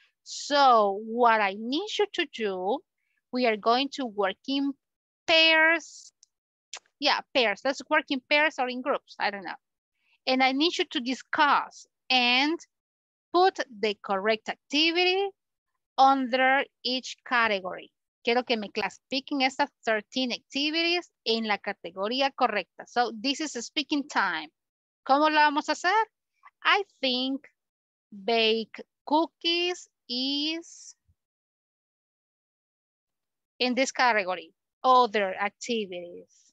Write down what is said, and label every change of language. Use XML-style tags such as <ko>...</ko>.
<en>So what I need you to do, we are going to work in pairs. Yeah, pairs. Let's work in pairs or in groups. I don't know. And I need you to discuss and put the correct activity under each category.</en> <es>Quiero que me clasifiquen estas 13 activities en la categoría correcta.</es> <en>So this is a speaking time.</en> <es>¿Cómo lo vamos a hacer?</es> <en>I think bake cookies is in this category, other activities.</en>